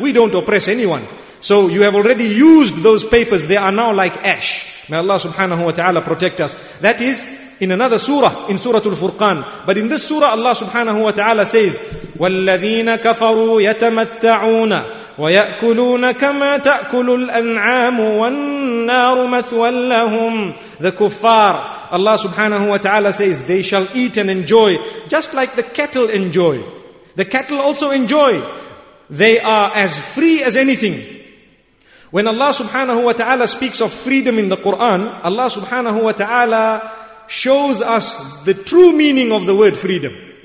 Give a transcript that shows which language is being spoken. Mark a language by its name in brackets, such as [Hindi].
[English] We don't oppress anyone. So you have already used those papers. They are now like ash. May Allah subhanahu wa ta'ala protect us. That is in another surah, in Surah Al-Furqan. But in this surah, Allah subhanahu wa ta'ala says, [Arabic] وَالَّذِينَ كَفَرُوا يَتَمَتَّعُونَ ويأكلون كما تأكل الأنعام والنار مثوى لهم. [English] The kuffar, Allah subhanahu wa ta'ala says, they shall eat and enjoy just like the cattle enjoy. The cattle also enjoy. They are as free as anything. When Allah subhanahu wa ta'ala speaks of freedom in the Quran, Allah subhanahu wa ta'ala shows us the true meaning of the word freedom.